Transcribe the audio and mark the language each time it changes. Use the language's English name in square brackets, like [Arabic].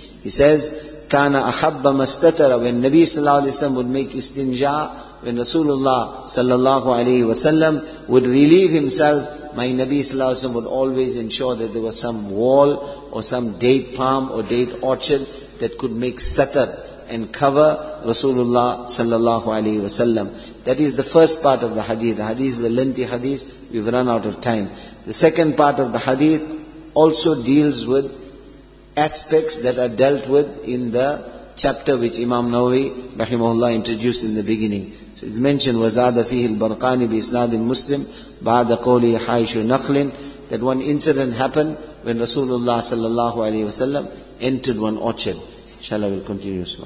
[English] He says, [Arabic] kana ahabba mastatara. [English] When Nabi sallallahu alayhi wa sallam would make istinja, when Rasulullah sallallahu alayhi wa sallam would relieve himself, my Nabi sallallahu alayhi wa sallam would always ensure that there was some wall or some date palm or date orchard that could make satar and cover Rasulullah sallallahu alayhi wa sallam. That is the first part of the hadith. The hadith is a lengthy hadith. We've run out of time. The second part of the hadith also deals with aspects that are dealt with in the chapter which Imam Nawawi rahimahullah introduced in the beginning. So it's mentioned, [Arabic] وَزَادَ فِيهِ الْبَرْقَانِ بِإِسْنَادٍ مُسْلِمْ بَعْدَ قَوْلِ حَيْشُ نَقْلٍ. [English] That one incident happened when Rasulullah sallallahu alayhi wa sallam entered one orchard. Inshallah, we'll continue.